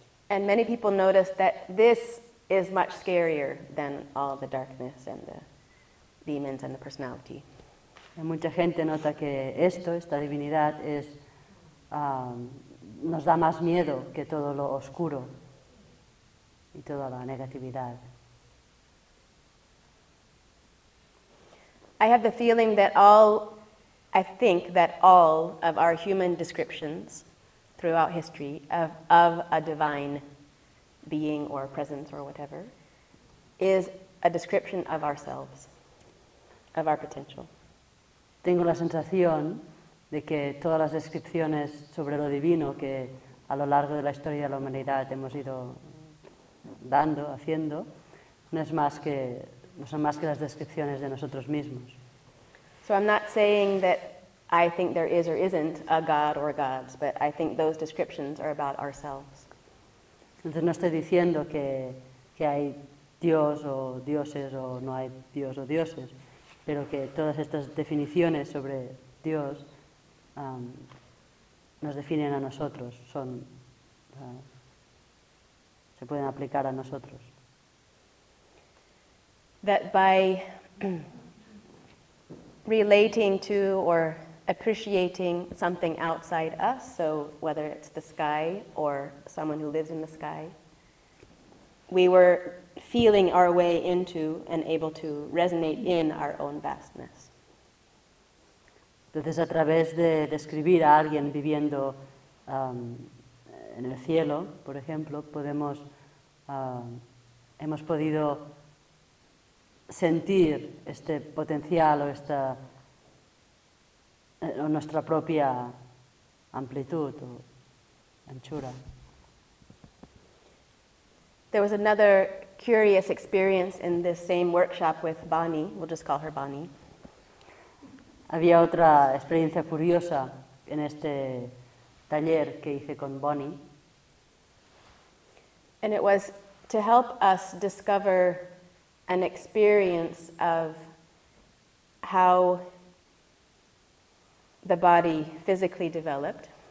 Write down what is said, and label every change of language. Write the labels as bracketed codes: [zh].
[en] And many people notice that this is much scarier than all the darkness and the demons and the personality. [es] Y mucha gente nota que esto, esta divinidad, es nos da más miedo que todo lo oscuro y toda la negatividad. [en] I have the feeling that all, I think that all of our human descriptions throughout history of a divine being or presence or whatever is a description of ourselves, of our potential. [es] Tengo la sensación de que todas las descripciones sobre lo divino que a lo largo de la historia de la humanidad hemos ido dando, haciendo, no son más que las descripciones de nosotros mismos. [en] So I'm not saying that I think there is or isn't a god or gods, but I think those descriptions are about ourselves. [es] Entonces no estoy diciendo que hay Dios o dioses o no hay Dios o dioses, pero que todas estas definiciones sobre Dios nos definen a nosotros, se pueden aplicar a nosotros. [en] That by relating to or appreciating something outside us, so whether it's the sky or someone who lives in the sky, we were feeling our way into and able to resonate in our own vastness. [es] Entonces, a través de describir a alguien viviendo en el cielo, por ejemplo, hemos podido sentir este potencial o esta o nuestra propia amplitud o anchura. [en] There was another curious experience in this same workshop with Bonnie. We'll just call her Bonnie. [es] Había otra experiencia curiosa en este taller que hice con Bonnie. [en] And it was to help us discover an experience of how the body physically developed.